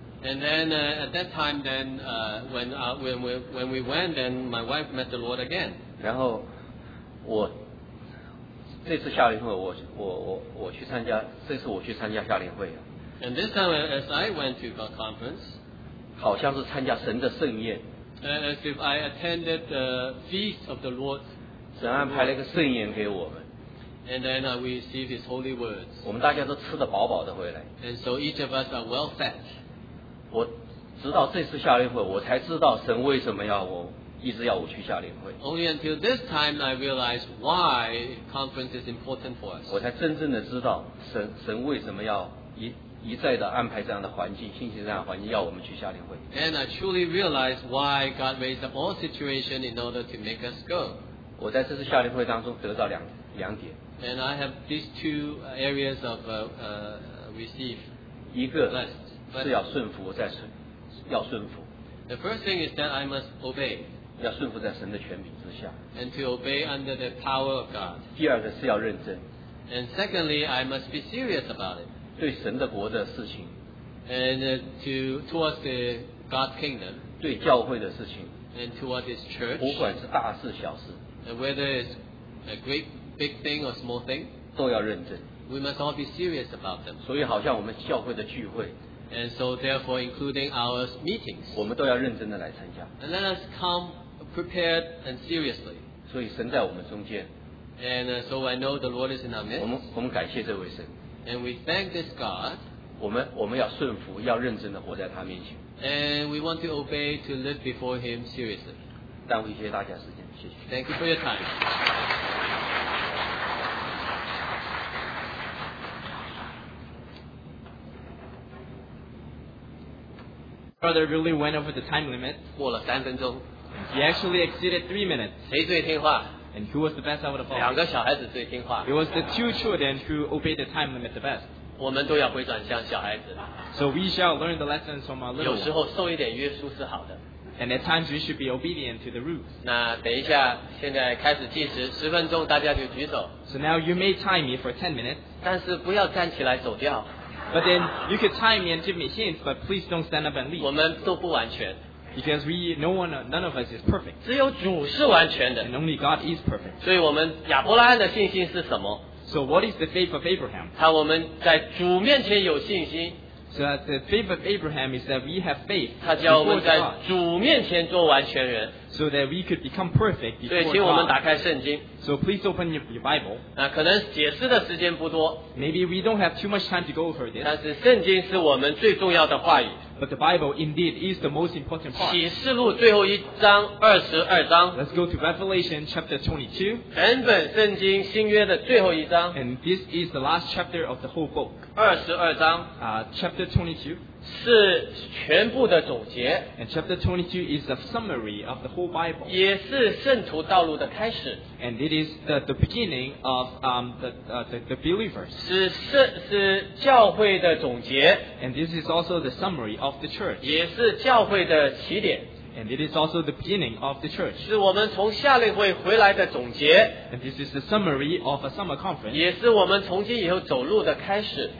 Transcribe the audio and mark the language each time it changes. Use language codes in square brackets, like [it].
[en] And then at that time, then when we went, then my wife met the Lord again. [zh] 然后我这次夏令会，我去参加，这次我去参加夏令会。 [en] And this time, as I went to God's conference, [zh] 好像是参加神的盛宴。 [en] As if I attended the feast of the Lord. [zh] 神安排了一个圣言给我们。 [en] And then we receive his holy words. [zh] 我们大家都吃得饱饱的回来。 [en] And so each of us are well fed. [zh] 我直到这次夏令会，我才知道神为什么要我一直要我去夏令会。 [en] Only until this time I realized why conference is important for us. [zh] 我才真正的知道神为什么要一再的安排这样的环境，兴起这样的环境，要我们去夏令会。 [en] And I truly realized why God raised up all situation in order to make us go. [zh] 我在这次夏令会当中得到两点。 [en] And I have these two areas of receive. [zh] 一个是要顺服，在神要顺服。 [en] The first thing is that I must obey. [zh] 要顺服在神的权柄之下。 [en] And to obey under the power of God. [zh] 第二个是要认真。 [en] And secondly, I must be serious about it. [zh] 对神的国的事情。 [en] And towards the God's kingdom. [zh] 对教会的事情。 [en] And towards His church. [zh] 不管是大事小事。 [en] And whether it's a great big thing or small thing. [zh] 都要认真。 [en] We must all be serious about them. [zh] 所以好像我们教会的聚会。 [en] And so therefore including our meetings. [zh] 我们都要认真地来参加。 [en] And let us come prepared and seriously. [zh] 所以神在我们中间。 [en] And so I know the Lord is in our midst. [zh] 我们感谢这位神。 [en] And we thank this God. [zh] 我们要顺服，要认真地活在他面前。 [en] And we want to obey to live before him seriously. [zh] 耽误一些大家时间，谢谢。 [en] Thank you for your time. Brother really went over the time limit. [zh] 过了三分钟。 [en] He actually exceeded 3 minutes. [zh] 谁最听话？ [en] And who was the best out of the four? [zh] 两个小孩子最听话。 [en] It was the two children who obeyed the time limit the best. [zh] 我们都要回转向小孩子。 [en] So we shall learn the lessons from our little. [zh] 有时候受一点约束是好的。 [en] And at times we should be obedient to the rules. [zh] 那等一下，现在开始计时，十分钟大家就举手。 [en] So now you may time me for 10 minutes. [zh] 但是不要站起来走掉。 [en] But then you could tie me and give me hints, but please don't stand up and leave. [zh] 我们都不完全。 [en] Because none of us is perfect. [zh] 只有主是完全的。 [en] And only God is perfect. [zh] 所以我们亚伯拉罕的信心是什么？ [en] So what is the faith of Abraham? [zh] 他我们在主面前有信心。 [en] So the faith of Abraham is that we have faith. [zh] 他叫我们在主面前做完全人。 [en] So that we could become perfect before God. [zh] 所以请我们打开圣经。 [en] So please open your Bible. [zh] 那可能解释的时间不多。 [en] Maybe we don't have too much time to go over this. [zh] 但是圣经是我们最重要的话语。 [en] But the Bible indeed is the most important part. [zh] 启示录最后一章22章。 [en] Let's go to Revelation chapter 22. [zh] 整本圣经新约的最后一章。 [en] And this is the last chapter of the whole book. [zh] 22章。 [en] Chapter 22. [zh] 是全部的总结。 [en] And chapter 22 is the summary of the whole Bible. [zh] 也是圣徒道路的开始。 [en] And it is the beginning of the believers. [zh] 是教会的总结。 [en] And this is also the summary of the church. [zh] 也是教会的起点。 [en] And it is also the beginning of the church. [zh] 是我们从夏令会回来的总结。 [en] And this is the summary of a summer conference. [zh] 也是我们从今以后走路的开始。